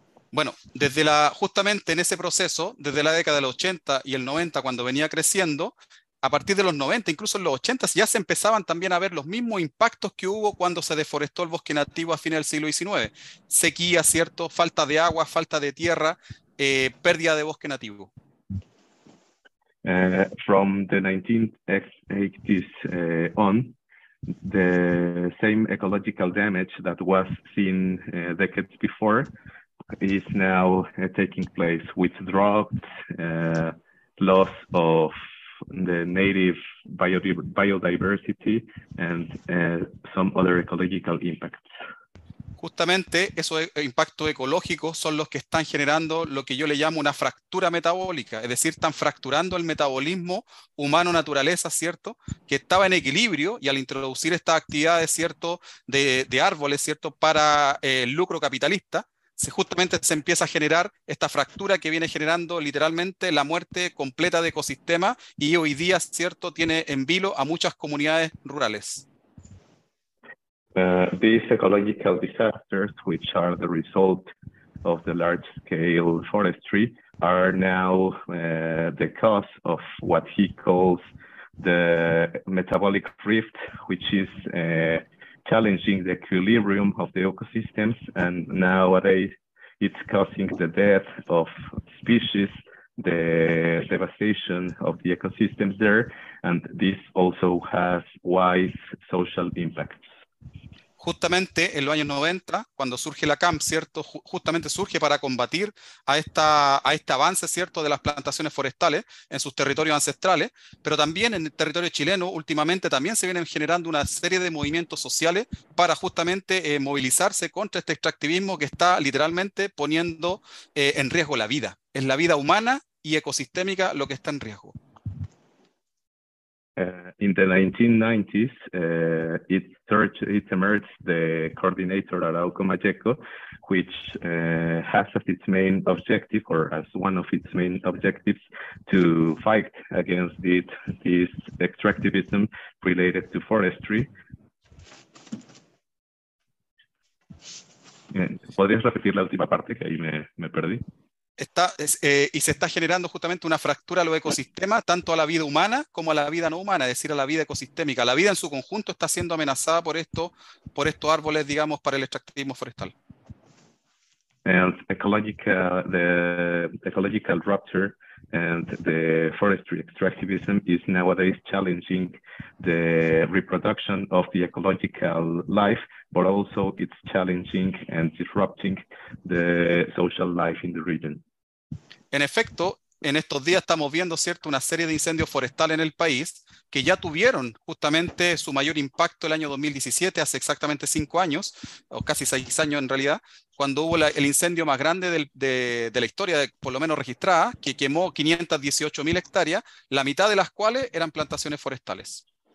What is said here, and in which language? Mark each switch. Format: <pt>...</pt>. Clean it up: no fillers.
<es>Bueno, desde la justamente en ese proceso, desde la década del 80 y el 90, cuando venía creciendo, a partir de los 90, incluso en los 80, ya se empezaban también a ver los mismos impactos que hubo cuando se deforestó el bosque nativo a fines del siglo XIX. Sequía, ¿cierto? Falta de agua, falta de tierra, pérdida de bosque nativo.</es> <en>From the 1980s on, the same ecological damage that was seen decades before is now taking place with droughts, loss of the native biodiversity, and some other ecological impacts.</en> <es>Justamente esos impactos ecológicos son los que están generando lo que yo le llamo una fractura metabólica, es decir, están fracturando el metabolismo humano-naturaleza, ¿cierto?, que estaba en equilibrio, y al introducir estas actividades, ¿cierto?, de árboles, ¿cierto?, para el lucro capitalista, justamente se empieza a generar esta fractura que viene generando literalmente la muerte completa de ecosistema y hoy día, cierto, tiene en vilo a muchas comunidades rurales.</es> <en>These ecological disasters, which are the result of the large-scale forestry, are now the cause of what he calls the metabolic rift, which is challenging the equilibrium of the ecosystems, and nowadays it's causing the death of species, the devastation of the ecosystems there, and this also has wide social impacts.</en> <es>Justamente en los años 90, cuando surge la CAMP, ¿cierto? Justamente surge para combatir a este avance, ¿cierto?, de las plantaciones forestales en sus territorios ancestrales, pero también en el territorio chileno, últimamente también se vienen generando una serie de movimientos sociales para justamente movilizarse contra este extractivismo que está literalmente poniendo en riesgo la vida. Es la vida humana y ecosistémica lo que está en riesgo.</es> <en>In the 1990s, it emerged the coordinator Arauco Mayeco, which has as its main objective, or as one of its main objectives, to fight against this extractivism related to forestry.</en> <es>¿Podrías repetir la última parte que ahí me perdí? Y se está generando justamente una fractura a los ecosistemas, tanto a la vida humana como a la vida no humana, es decir, a la vida ecosistémica. La vida en su conjunto está siendo amenazada por estos árboles, digamos, para el extractivismo forestal.</es> <en>And the ecological rupture and the forestry extractivism is nowadays challenging the reproduction of the ecological life, but also it's challenging and disrupting the social life in the region.</en> <es>En efecto, en estos días estamos viendo, cierto, una serie de incendios forestales en el país que ya tuvieron justamente su mayor impacto el año 2017, hace exactamente 5 años, o casi 6 años en realidad, cuando hubo el incendio más grande de la historia, por lo menos registrada, que quemó 518 mil hectáreas, la mitad de las cuales eran plantaciones forestales.</es>